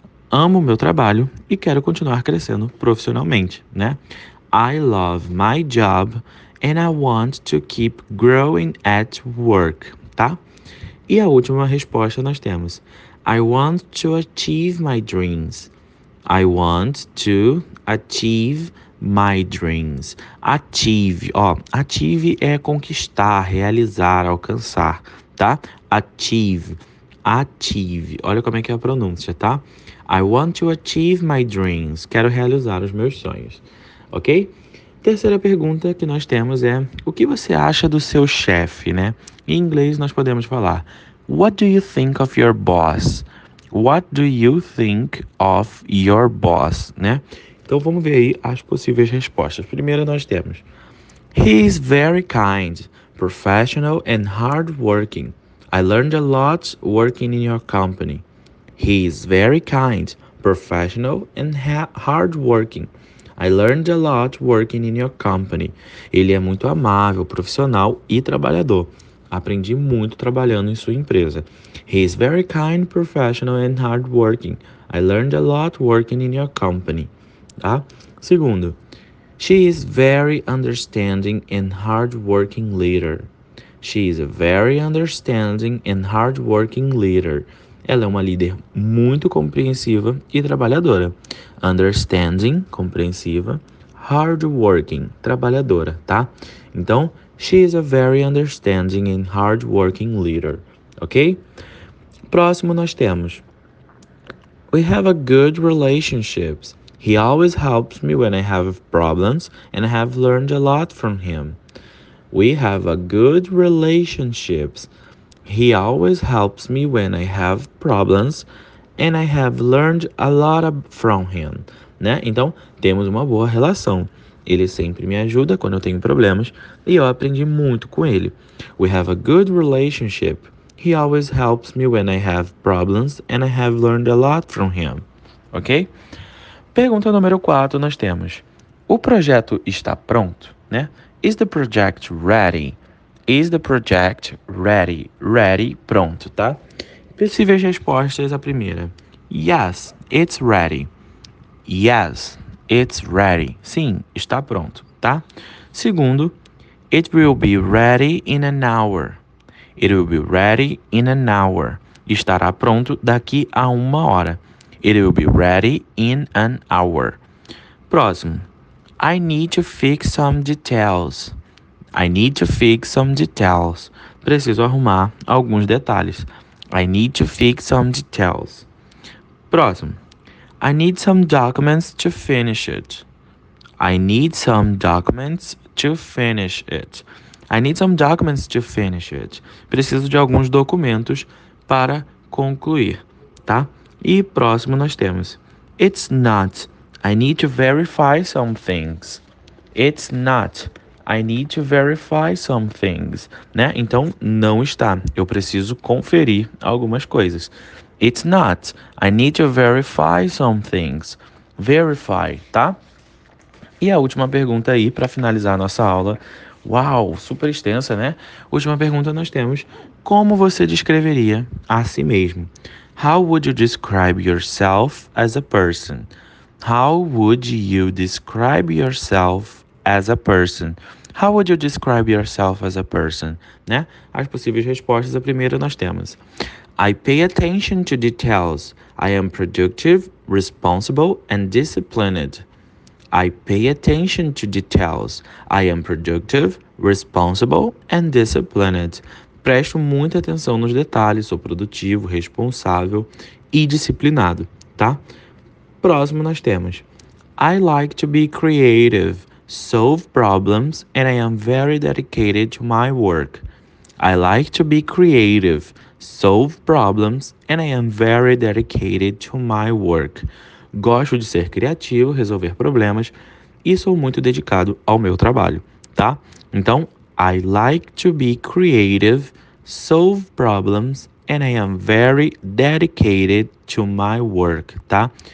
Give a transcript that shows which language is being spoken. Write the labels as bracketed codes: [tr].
[pt] Amo meu trabalho e quero continuar crescendo profissionalmente, né? [en] I love my job and I want to keep growing at work, tá? [pt] E a última resposta nós temos: [en] I want to achieve my dreams. I want to achieve my dreams. [pt] Achieve, ó, achieve é conquistar, realizar, alcançar, tá? Achieve, achieve. Olha como é que é a pronúncia, tá? [en] I want to achieve my dreams. [pt] Quero realizar os meus sonhos, ok? Terceira pergunta que nós temos é: o que você acha do seu chefe, né? Em inglês nós podemos falar: [en] What do you think of your boss? What do you think of your boss, né? [pt] Então vamos ver aí as possíveis respostas. Primeiro nós temos: [en] He is very kind, professional and hardworking. I learned a lot working in your company. He is very kind, professional and hardworking. I learned a lot working in your company. [pt] Ele é muito amável, profissional e trabalhador. Aprendi muito trabalhando em sua empresa. [en] He is very kind, professional and hardworking. I learned a lot working in your company. Tá? Segundo: She is very understanding and hardworking leader. She is a very understanding and hardworking leader. [pt] Ela é uma líder muito compreensiva e trabalhadora. Understanding, compreensiva. Hardworking, trabalhadora, tá? [en] Então, she is a very understanding and hardworking leader, ok? [pt] Próximo nós temos: [en] We have a good relationship. He always helps me when I have problems and I have learned a lot from him. We have a good relationship. He always helps me when I have problems and I have learned a lot from him, né? [pt] Então, temos uma boa relação. Ele sempre me ajuda quando eu tenho problemas e eu aprendi muito com ele. [en] We have a good relationship. He always helps me when I have problems and I have learned a lot from him. Ok? [pt] Pergunta número 4 nós temos: O projeto está pronto, né? [en] Is the project ready? Is the project ready? [pt] Ready, pronto, tá? Possíveis respostas, a primeira: [en] Yes, it's ready. Yes, it's ready. [pt] Sim, está pronto, tá? [en] Segundo: It will be ready in an hour. It will be ready in an hour. [pt] Estará pronto daqui a uma hora. [en] It will be ready in an hour. Próximo: I need to fix some details. I need to fix some details. [pt] Preciso arrumar alguns detalhes. [en] I need to fix some details. Próximo: I need some documents to finish it. I need some documents to finish it. I need some documents to finish it. [pt] Preciso de alguns documentos para concluir, tá? E próximo nós temos. [en] It's not. I need to verify some things. It's not. I need to verify some things. [pt] Né? Então, não está. Eu preciso conferir algumas coisas. [en] It's not. I need to verify some things. Verify, tá? [pt] E a última pergunta aí, para finalizar a nossa aula. Uau, super extensa, né? Última pergunta nós temos. Como você descreveria a si mesmo? [en] How would you describe yourself as a person? How would you describe yourself as a person? How would you describe yourself as a person? [pt] Né? As possíveis respostas, a primeira nós temos. [en] I pay attention to details. I am productive, responsible, and disciplined. I pay attention to details. I am productive, responsible, and disciplined. [pt] Presto muita atenção nos detalhes, sou produtivo, responsável e disciplinado, tá? Próximo nós temos. [en] I like to be creative, solve problems, and I am very dedicated to my work. I like to be creative, solve problems, and I am very dedicated to my work. [pt] Gosto de ser criativo, resolver problemas e sou muito dedicado ao meu trabalho, tá? [en] Então, I like to be creative, solve problems, and I am very dedicated to my work, tá?